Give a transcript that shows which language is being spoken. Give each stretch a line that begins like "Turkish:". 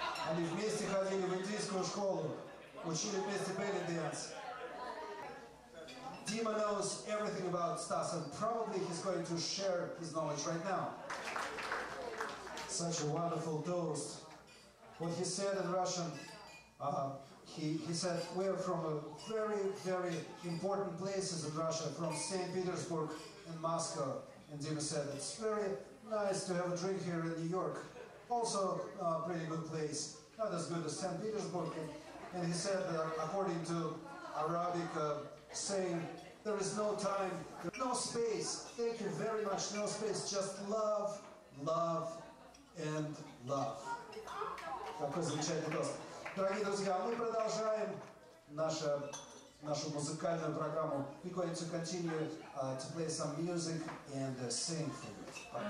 Russian: Они вместе ходили в индийскую школу, учили вместе belly dance.
English: Dima knows everything about Stas, and probably he's going to share his knowledge right now. Such a wonderful toast. What he said in Russian, he said, we're from a very, very important places in Russia, from St. Petersburg and Moscow. And Dima said, it's very nice to have a drink here in New York. Also a pretty good place, not as good as St. Petersburg. And he said that according to Arabic saying, there is no time, no space. Thank you very much, no space. Just love, love, and love.
Russian: Какой замечательный тост. Дорогие друзья, мы продолжаем нашу музыкальную программу.
English: We're going to continue to play some music and sing for you.